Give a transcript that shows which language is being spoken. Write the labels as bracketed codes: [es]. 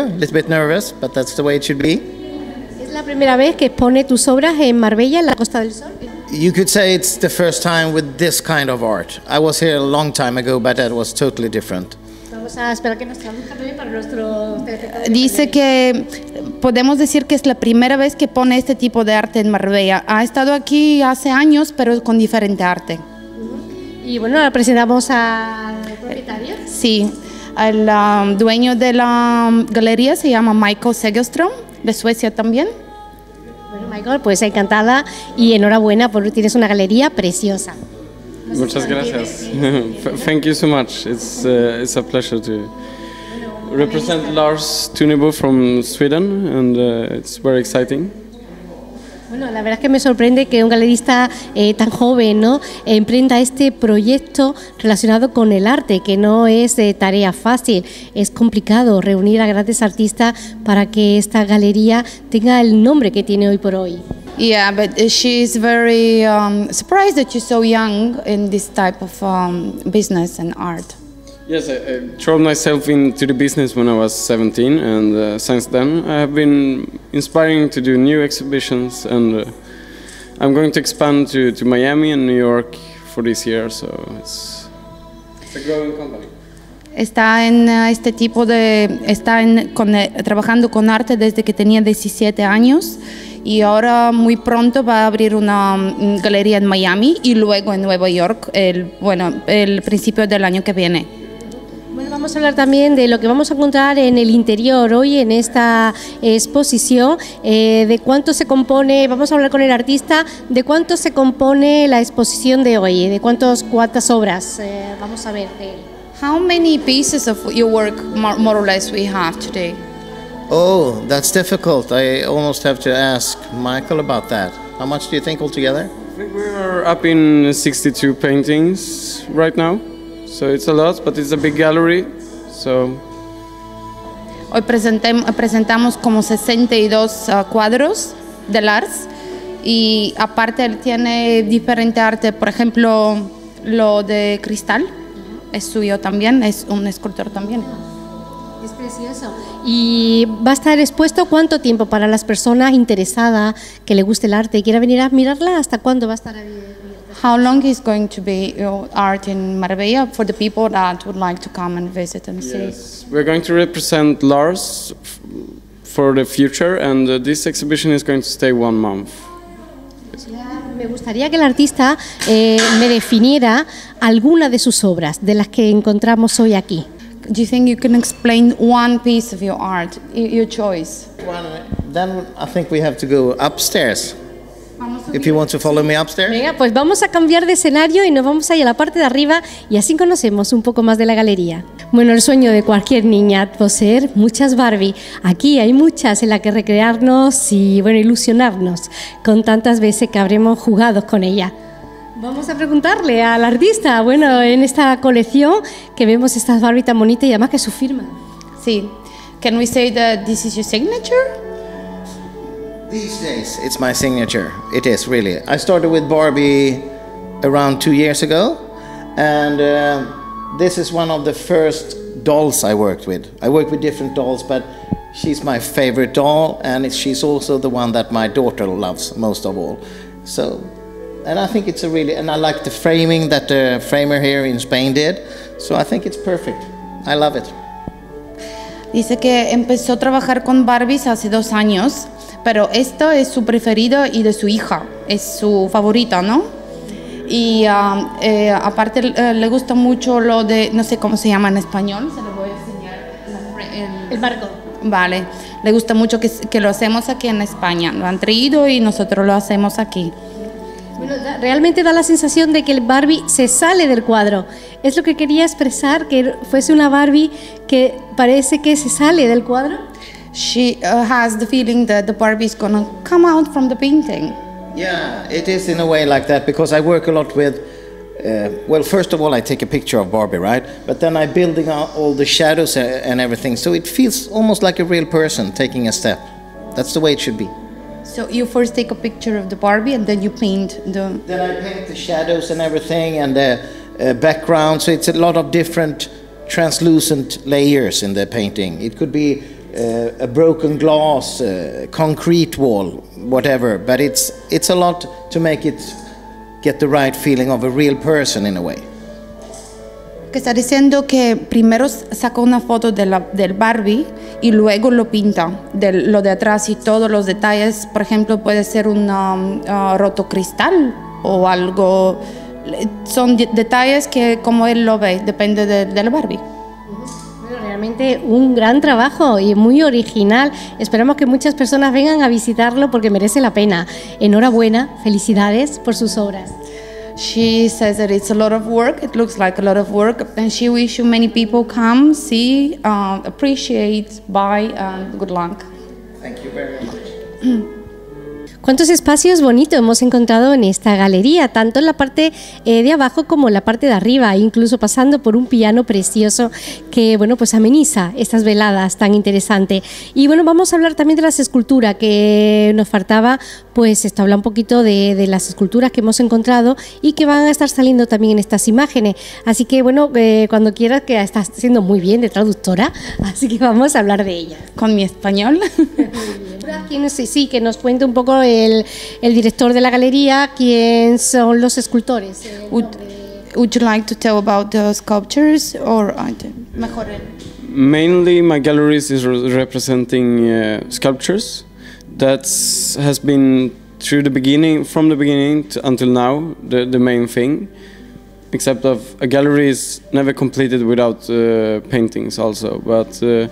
[en] A little bit nervous, but that's the way it should be. [es] ¿Es la primera vez que expone tus obras en Marbella, en la Costa del Sol? [en] You could say it's the first time with this kind of art. I was here a long time ago, but that was totally different. [es] Vamos a esperar que nos traduzca también para nuestro... Dice que podemos decir que es la primera vez que pone este tipo de arte en Marbella. Ha estado aquí hace años, pero con diferente arte. Y bueno, la presentamos al propietario. Sí. El dueño de la galería se llama Michael Segelström, de Suecia también. Bueno, Michael, pues encantada y enhorabuena porque tienes una galería preciosa. Muchas gracias. [en] Thank you so much. It's a pleasure to represent Lars Tunebo from Sweden and it's very exciting. [es] Bueno, la verdad es que me sorprende que un galerista tan joven, ¿no?, emprenda este proyecto relacionado con el arte, que no es tarea fácil, es complicado reunir a grandes artistas para que esta galería tenga el nombre que tiene hoy por hoy. [en] Yeah, but she's very surprised that you're so young in this type of business and art. Yes, I threw myself into the business when I was 17, and since then I have been inspiring to do new exhibitions, and I'm going to expand to Miami and New York for this year, so it's a growing company. [es] Está en este tipo de trabajando con arte desde que tenía 17 años y ahora muy pronto va a abrir una galería en Miami y luego en Nueva York el principio del año que viene. Vamos a hablar también de lo que vamos a encontrar en el interior hoy en esta exposición, de cuánto se compone, vamos a hablar con el artista, de cuánto se compone la exposición de hoy, de cuántas obras vamos a ver de él. [en] How many pieces of your work more or less we have today? Oh, that's difficult. I almost have to ask Michael about that. How much do you think altogether? I think we are up in 62 paintings right now. So it's a lot, but it's a big gallery. So. [es] Hoy presentamos como 62 cuadros de Lars, y aparte él tiene diferente arte. Por ejemplo, lo de cristal es suyo también. Es un escultor también. Es precioso. Y va a estar expuesto cuánto tiempo para las personas interesadas que le guste el arte y quiera venir a mirarla. ¿Hasta cuándo va a estar abierto? [en] How long is going to be your art in Marbella for the people that would like to come and visit and see? Yes, we're going to represent Lars for the future, and this exhibition is going to stay 1 month. [es] Me gustaría que el artista me definiera alguna de sus obras, de las que encontramos hoy aquí. [en] Do you think you can explain one piece of your art, your choice? Then I think we have to go upstairs. If you want to follow me upstairs. [es] Venga, pues vamos a cambiar de escenario y nos vamos ahí a la parte de arriba y así conocemos un poco más de la galería. Bueno, el sueño de cualquier niña, poseer muchas Barbie. Aquí hay muchas en las que recrearnos y, bueno, ilusionarnos con tantas veces que habremos jugado con ella. Vamos a preguntarle al artista, bueno, en esta colección que vemos estas Barbie tan bonitas y además que su firma. Sí. [en] Can we say that this is your signature? These days, it's my signature. It is, really. I started with Barbie around 2 years ago, and this is one of the first dolls I worked with. I worked with different dolls, but she's my favorite doll, and she's also the one that my daughter loves most of all. So, and I think it's a really, and I like the framing that the framer here in Spain did, so I think it's perfect. I love it. [es] Dice que empezó a trabajar con Barbies hace 2 años, pero esta es su preferida y de su hija, es su favorita, ¿no? Y aparte le gusta mucho lo de, no sé cómo se llama en español. Se lo voy a enseñar. El marco. Vale, le gusta mucho que lo hacemos aquí en España. Lo han traído y nosotros lo hacemos aquí. Bueno, realmente da la sensación de que el Barbie se sale del cuadro. ¿Es lo que quería expresar, que fuese una Barbie que parece que se sale del cuadro? [en] She has the feeling that the Barbie is gonna come out from the painting. Yeah, it is in a way like that, because I work a lot with, well, first of all, I take a picture of Barbie, right? But then I'm building all the shadows and everything, so it feels almost like a real person taking a step. That's the way it should be. So you first take a picture of the Barbie and then you paint the... Then I paint the shadows and everything and the background, so it's a lot of different translucent layers in the painting. It could be a broken glass, concrete wall, whatever, but it's a lot to make it get the right feeling of a real person in a way. [es] Que está diciendo que primero saca una foto de del Barbie y luego lo pinta, de lo de atrás y todos los detalles. Por ejemplo, puede ser un rotocristal o algo. Son detalles que como él lo ve, depende del Barbie. Realmente un gran trabajo y muy original. Esperamos que muchas personas vengan a visitarlo porque merece la pena. Enhorabuena, felicidades por sus obras. [en] She says that it's a lot of work. It looks like a lot of work, and she wishes you many people come, see, appreciate, buy, and good luck. Thank you very much. [es] ¿Cuántos espacios bonitos hemos encontrado en esta galería? Tanto en la parte de abajo como en la parte de arriba, incluso pasando por un piano precioso que, bueno, pues ameniza estas veladas tan interesantes. Y bueno, vamos a hablar también de las esculturas que nos faltaba. Pues esto habla un poquito de las esculturas que hemos encontrado y que van a estar saliendo también en estas imágenes. Así que, bueno, cuando quieras, que estás haciendo muy bien de traductora, así que vamos a hablar de ella. ¿Con mi español? Sí, que nos cuente un poco el director de la galería, ¿quién son los escultores? [en] Would you like to tell about the sculptures or mejor? Mainly my gallery is representing sculptures that has been through the beginning, from the beginning until now, the main thing, except of a gallery is never completed without paintings also, but